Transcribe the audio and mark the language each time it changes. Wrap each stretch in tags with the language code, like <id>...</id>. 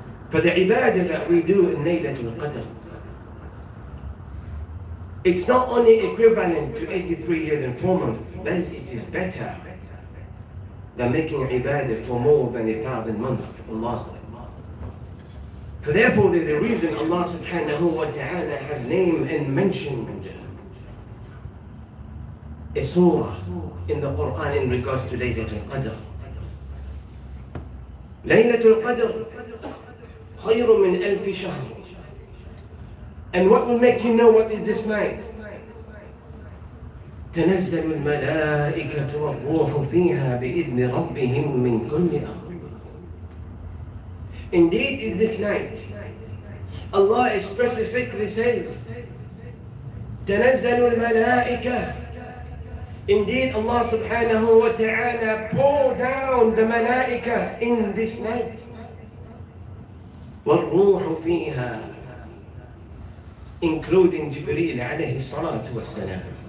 <en>For the ibadah that we do in Laylatul Qadr, it's not only equivalent to 83 years and 4 months, but it is better than making ibadah for more than 1,000 months, Allah. For therefore, the reason Allah subhanahu wa ta'ala has named and mentioned a surah in the Qur'an in regards to Laylatul Qadr.</en> <ar>Laylatul Qadr خير من ألف شهر.</ar> <en>And what will make you know what is this night?</en> <ar>تنزل الملائكة والروح فيها بإذن ربهم من كل أمر.</ar> <en>Indeed is this night. Allah specifically says</en> <ar>تنزل الملائكة</ar> <en>Indeed, Allah subhanahu wa ta'ala pour down the malaika in this night.</en> <ar>وَالْرُوحُ فِيهَا</ar> <en>Including Jibreel alayhi salatu wa salam.</en>